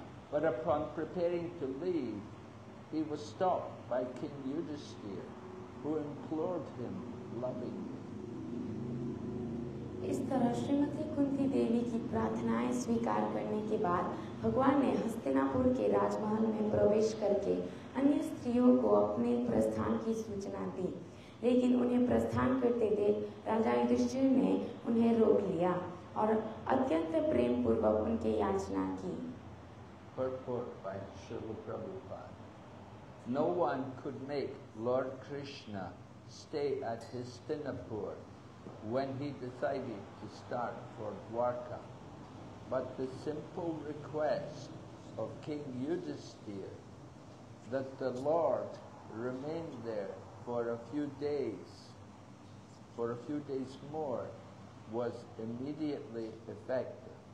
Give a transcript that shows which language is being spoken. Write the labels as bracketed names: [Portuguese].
[English] But upon preparing to leave, he was stopped by King Yudhisthira, who implored him lovingly. [Hindi] इस तरह श्रीमती कुंती देवी की प्रार्थनाएं स्वीकार करने के बाद भगवान ने हस्तिनापुर के राजमहल में प्रवेश करके अन्य स्त्रियों को अपने प्रस्थान की सूचना दी लेकिन उन्हें प्रस्थान करते देख राजा युधिष्ठिर ने उन्हें रोक लिया और अत्यंत प्रेम पूर्वक उनके याचना की [English] Purport by Srila Prabhupada. No one could make Lord Krishna stay at Hastinapur when he decided to start for Dwarka. But the simple request of King Yudhisthira that the Lord remain there for a few days more, was immediately effective.